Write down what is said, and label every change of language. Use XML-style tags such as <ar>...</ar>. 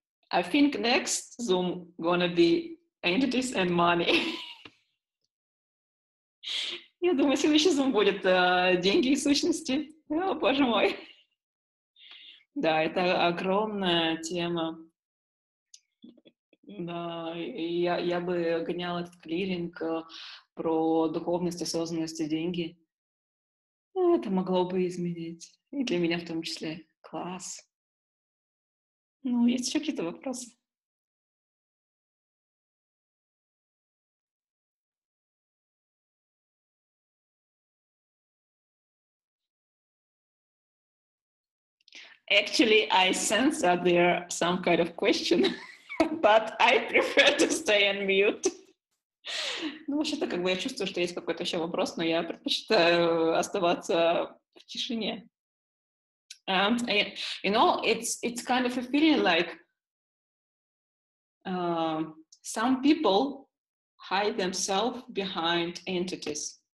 <en>I think next Zoom gonna be entities and money.</en> <ru>Я думаю, следующий Zoom будет деньги и сущности. О, боже мой. Да, это огромная тема. Да, я бы гоняла этот клиринг про духовность, осознанность и деньги. Это могло бы изменить. И для меня в том числе. Класс. Ну, есть еще какие-то вопросы?</ru> <en>Actually, I sense that there are some kind of question, but I prefer to stay on mute.</en> <ru>Ну, вообще-то, как бы я чувствую, что есть какой-то еще вопрос, но я предпочитаю оставаться в тишине.</ru> <en>You know, it's kind of a feeling like some people hide themselves behind entities.</en>